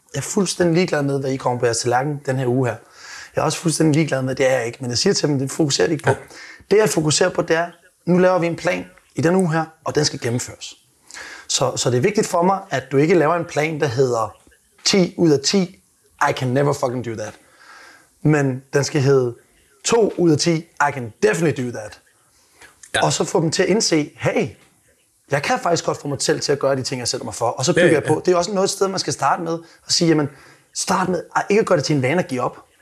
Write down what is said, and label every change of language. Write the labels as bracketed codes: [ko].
[da] Jeg er fuldstændig ligeglad med, hvad I kommer på jeres tallerken den her uge her. Jeg er også fuldstændig ligeglad med, det er jeg ikke. Men jeg siger til dem, det fokuserer de ikke på. Ja. Det, jeg fokuserer på, det er, nu laver vi en plan i den uge her, og den skal gennemføres. Så det er vigtigt for mig, at du ikke laver en plan, der hedder 10 ud af 10, [en] I can never fucking do that. [da] Men den skal hedde 2 ud af 10, [en] I can definitely do that. [da] Ja. Og så få dem til at indse, hey, jeg kan faktisk godt få mig selv til at gøre de ting, jeg sætter mig for. Og så bygger jeg på. Det er også noget sted, man skal starte med og sige, jamen, start med ikke at gøre det til en vane at give op.